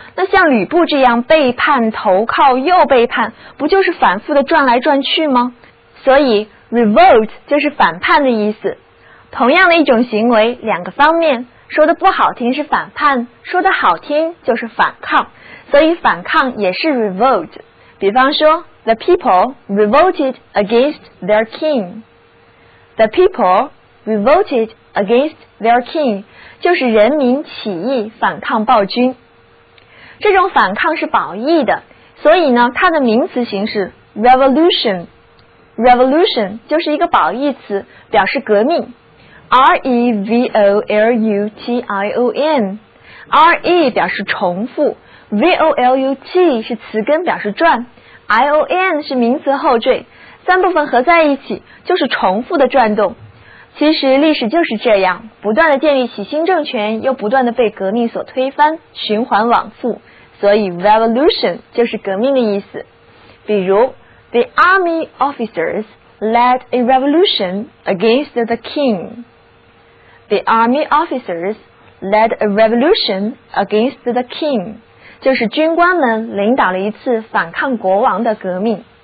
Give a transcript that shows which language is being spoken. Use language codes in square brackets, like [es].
[zh] 那像吕布这样背叛、投靠又背叛，不就是反复的转来转去吗？所以 revolt 就是反叛的意思。同样的一种行为，两个方面，说的不好听是反叛，说的好听就是反抗，所以反抗也是 revolt。比方说 [en] the people revolted against their king， the people revolted against their king [zh] 就是人民起义反抗暴君。这种反抗是褒义的，所以呢它的名词形式 revolution， revolution 就是一个褒义词，表示革命。 R-E-V-O-L-U-T-I-O-N， R-E 表示重复， V-O-L-U-T 是词根表示转， I-O-N 是名词后缀，三部分合在一起就是重复的转动。其实历史就是这样，不断地建立起新政权，又不断地被革命所推翻，循环往复，所以 revolution 就是革命的意思。比如 [en] the army officers led a revolution against the king， the army officers led a revolution against the king [zh] 就是军官们领导了一次反抗国王的革命。